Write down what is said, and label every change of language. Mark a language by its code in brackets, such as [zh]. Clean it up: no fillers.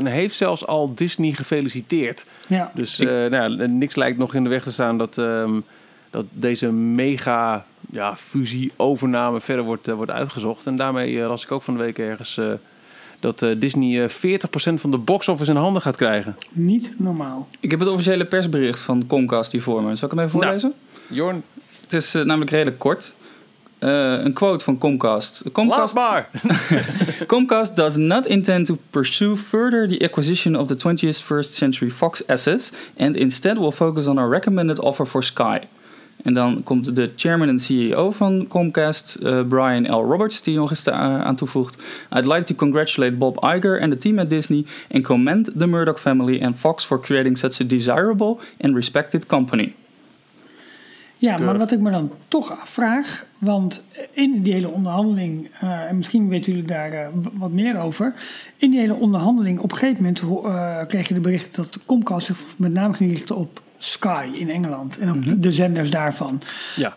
[nl] En heeft zelfs al Disney gefeliciteerd. Ja. Dus niks lijkt nog in de weg te staan dat deze mega fusie-overname verder wordt uitgezocht. En daarmee las ik ook van de week ergens... dat Disney 40% van de box-office in handen gaat krijgen. Niet normaal. Ik heb het officiële persbericht van Comcast hier voor me. Zal ik hem even voorlezen? Ja. Jorn. Het is namelijk redelijk kort. Een quote van Comcast. Laatbaar! [en] Comcast does not intend to pursue further the acquisition of the 21st Century Fox assets... and instead will focus on our recommended offer for Sky. [nl] En dan komt de chairman en CEO van Comcast, Brian L. Roberts, die nog eens aan toevoegt. [en] I'd like to congratulate Bob Iger and the team at Disney and commend the Murdoch family and Fox for creating such a desirable and respected company. [nl] Ja, maar wat ik me dan toch afvraag, want in die hele onderhandeling, en misschien weten jullie daar wat meer over. In die hele onderhandeling, op een gegeven moment kreeg je de bericht dat Comcast zich met name ging richten op Sky in Engeland en op de zenders daarvan. Ja.